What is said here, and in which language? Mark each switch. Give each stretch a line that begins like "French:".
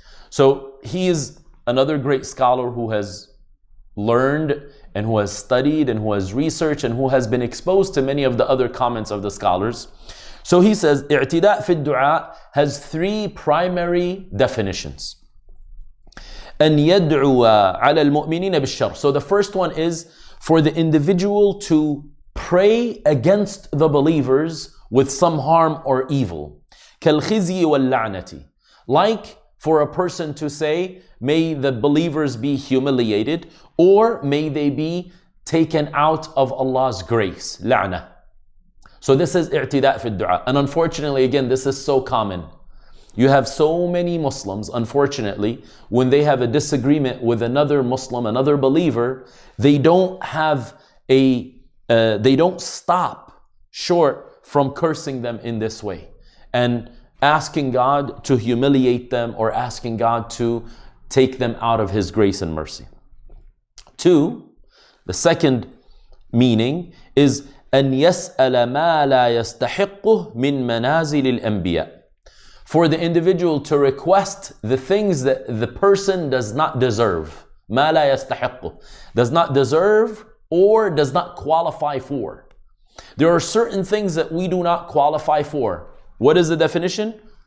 English: So he is another great scholar who has learned and who has studied and who has researched and who has been exposed to many of the other comments of the scholars. So he says,
Arabic: اعتداء في الدعاء
English: has three primary definitions.
Arabic: أن يدعو على المؤمنين بالشر.
English: So the first one is for the individual to pray against the believers with some harm or evil.
Arabic: كالخزي واللعنة.
English: Like for a person to say, may the believers be humiliated, or may they be taken out of Allah's grace. La'na. So this is
Arabic: i'tida fi al-du'a.
English: And unfortunately, again, this is so common. You have so many Muslims, unfortunately, when they have a disagreement with another Muslim, another believer, they don't have they don't stop short from cursing them in this way. And asking God to humiliate them, or asking God to take them out of His grace and mercy. Two, the second meaning is
Arabic: أن يسأل ما لا يستحقه من منازل الأنبياء.
English: For the individual to request the things that the person does not deserve.
Arabic: ما لا يستحقه.
English: Does not deserve or does not qualify for. There are certain things that we do not qualify for. What is the definition?